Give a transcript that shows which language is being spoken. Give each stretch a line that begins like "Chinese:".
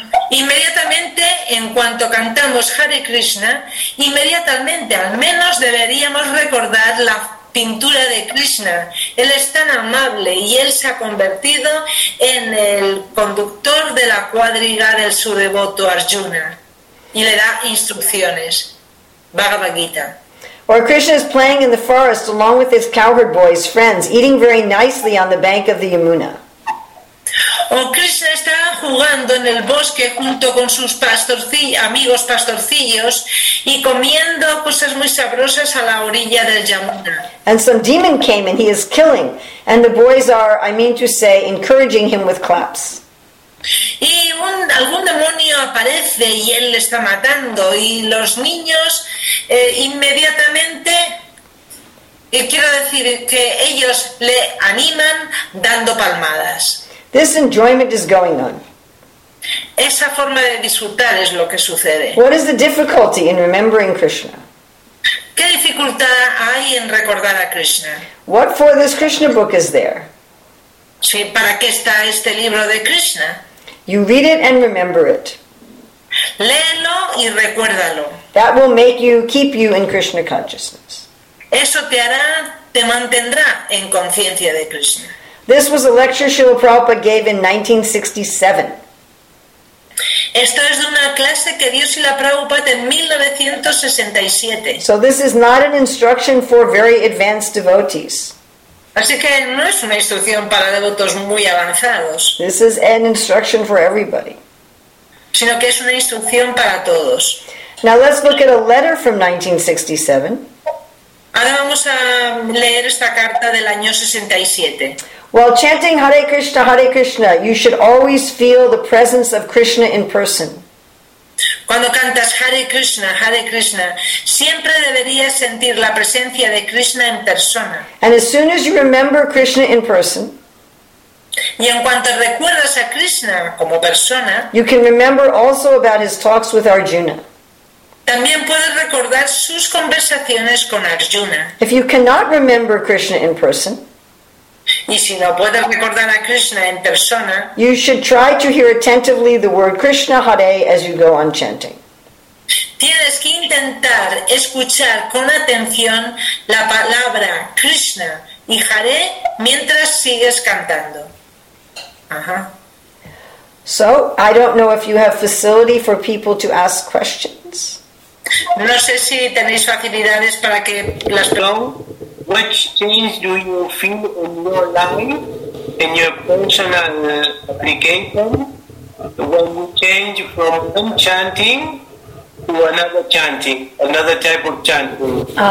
Spanish: Inmediatamente, en cuanto cantamos Hare Krishna, inmediatamente, al menos deberíamos recordar la pintura de Krishna. Él es tan amable y él se ha convertido en el conductor de la cuadriga de su devoto Arjuna y le da instrucciones, Bhagavad Gita.
English: Or Krishna is playing in the forest along with his cowherd boy's friends, eating very nicely on the bank of the Yamuna.
Spanish: O Krishna está jugando en el bosque junto con sus amigos pastorcillos y comiendo cosas muy sabrosas a la orilla del Yamuna.
English: And some demon came and he is killing, and the boys are, encouraging him with claps.
Spanish: Y algún demonio aparece y él le está matando y los niños inmediatamente. Y quiero decir que ellos le animan dando palmadas.
English: This enjoyment is going on.
Spanish: Esa forma de disfrutar es lo que sucede.
English: What is the difficulty in remembering Krishna?
Spanish: ¿Qué dificultad hay en recordar a Krishna?
English: What for this Krishna book is there?
Spanish: Sí, ¿para qué está este libro de Krishna?
English: You read it and remember it.
Spanish: Léelo y recuérdalo.
English: That will make you keep you in Krishna consciousness.
Spanish: Eso te mantendrá en conciencia de Krishna.
English: This was a lecture Srila Prabhupada gave in 1967.
Spanish: Esto es de una clase que dio Srila Prabhupada en 1967.
English: So this is not an instruction for very advanced devotees.
Spanish: Así que no es una instrucción para devotos muy avanzados.
English: This is an instruction for everybody.
Spanish: Sino que es una instrucción para todos.
English: Now let's look at a letter from 1967.
Spanish: Ahora vamos a leer esta carta del año 67.
English: While chanting Hare Krishna, you should always feel the presence of Krishna in person.
Spanish: Cuando cantas Hare Krishna, siempre deberías sentir la presencia de Krishna en persona.
English: And as soon as you remember Krishna in person,
Spanish: y en cuanto recuerdas a Krishna como persona,
English: you can remember also about his talks with Arjuna.
Spanish: También puedes recordar sus conversaciones con Arjuna.
English: If you cannot remember Krishna in person,
Spanish: y si no puedes recordar a Krishna en persona,
English: you should try to hear attentively the word Krishna Hare as you go on chanting.
Spanish: Tienes que intentar escuchar con atención la palabra Krishna y Hare mientras sigues cantando.
English: So, I don't know if you have facility for people to ask questions.
Spanish: No sé si tenéis facilidades para que las preguntas.
English: Which things do you feel in your life, in your personal application, when you change from one chanting to another chanting, another type of chanting?